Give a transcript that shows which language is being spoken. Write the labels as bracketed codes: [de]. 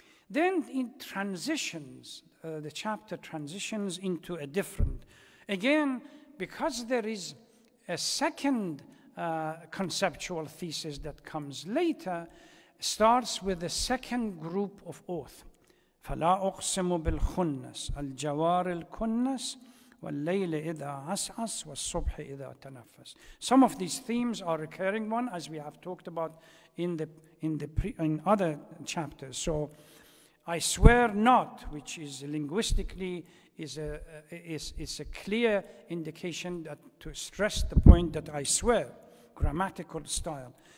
[en] Then it transitions, the chapter transitions into a different. Again, because there is a second conceptual thesis that comes later, starts with the second group of oath. [ar] فلا أقسم بالخنس الجوار الكنس والليل إذا عسعس والصبح إذا تنفس. [en] Some of these themes are recurring one, as we have talked about in other chapters. So, I swear not, which is linguistically is a clear indication that to stress the point that I swear, grammatical style.